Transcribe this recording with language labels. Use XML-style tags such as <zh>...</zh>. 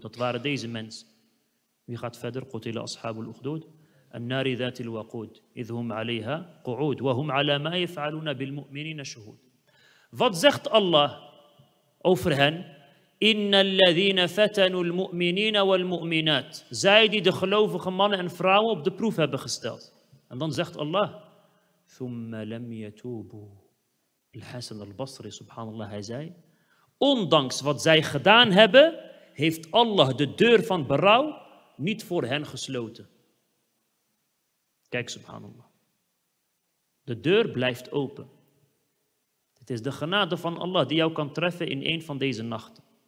<nl>Dat waren deze mensen. Wie gaat verder?</nl> <ar>قُتِلَ أَصْحَابُ الْأُخْدُودِ النَّارِ ذَاتِ الْوَقُودِ إِذْ هُمْ عَلَيْهَا قُعُودِ وَهُمْ عَلَى مَا يَفْعَلُونَ بِالْمُؤْمِنِينَ شُهُودِ.</ar> <nl>Wat zegt Allah over hen?</nl> <ar>إِنَّ الَّذِينَ فَتَنُوا الْمُؤْمِنِينَ وَالْمُؤْمِنَاتِ.</ar> <nl>Zij die de gelovige mannen en vrouwen op de proef hebben gesteld. En dan zegt Allah,</nl> <ar>ثُمَّ لَمْ يَتُوبُوا. الحسن البصري سبحان الله زي.</ar> <nl>Ondanks wat zij gedaan hebben, heeft Allah de deur van berouw niet voor hen gesloten. Kijk, subhanallah. De deur blijft open. Het is de genade van Allah die jou kan treffen in een van deze nachten.</nl>